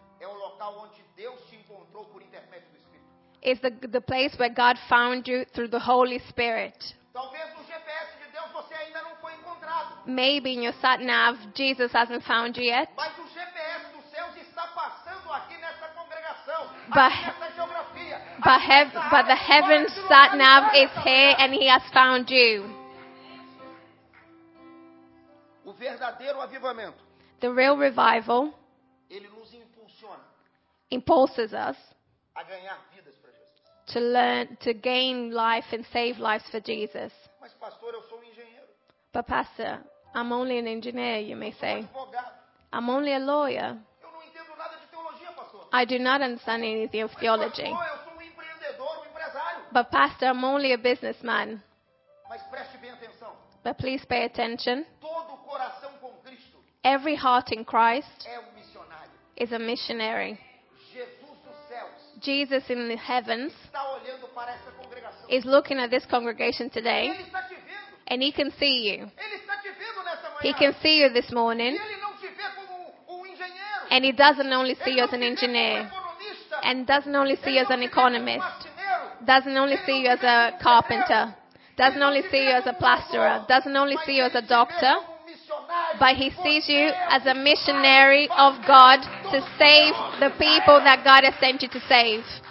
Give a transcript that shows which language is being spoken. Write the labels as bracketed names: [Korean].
[Portuguese] é o local onde Deus te encontrou por intermédio do Espírito. [English] Is the place where God found you through the Holy Spirit. [Portuguese] Talvez no GPS de Deus você ainda não foi encontrado. [English] Maybe in your sat nav Jesus hasn't found you yet. [Portuguese] Mas o GPS dos céus está passando aqui nessa congregação, aqui nessa geografia. [English] But the heavens sat nav is here and he has found you. [Portuguese] Verdadeiro avivamento. [English] The real revival. [Portuguese] Ele nos impulsiona. [English] Impulses us. [Portuguese] A ganhar vidas para Jesus. [English] To learn, to gain life and save lives for Jesus. [Portuguese] Mas pastor, eu sou um engenheiro. [English] But pastor, I'm only an engineer, you may say. [Portuguese] Eu sou um advogado. [English] I'm only a lawyer. [Portuguese] Eu não entendo nada de teologia, pastor. [English] I do not understand anything of [Portuguese] Mas, [English] theology. [Portuguese] Pastor, eu sou um empreendedor, um empresário. [English] But pastor, I'm only a businessman. [Portuguese] Mas preste bem atenção. [English] But please pay attention. [Portuguese] Todo [English] every heart in Christ [Portuguese] é um missionário. [English] Is a missionary. [Portuguese] Jesus dos céus. [English] Jesus in the heavens [Portuguese] está olhando para essa congregação. [English] Is looking at this congregation today. [Portuguese] Ele está te vendo. [English] And he can see you. [Portuguese] Ele está te vendo nessa manhã. [English] He can see you this morning. [Portuguese] E ele não te vê como um engenheiro. [English] And he doesn't only see [Portuguese] ele [English] you as an engineer. [Portuguese] Como economista. [English] and doesn't only see you as an economist, doesn't only see you as a carpenter, doesn't only see you as a plasterer, doesn't only see you as a doctor, but he sees you as a missionary of God to save the people that God has sent you to save.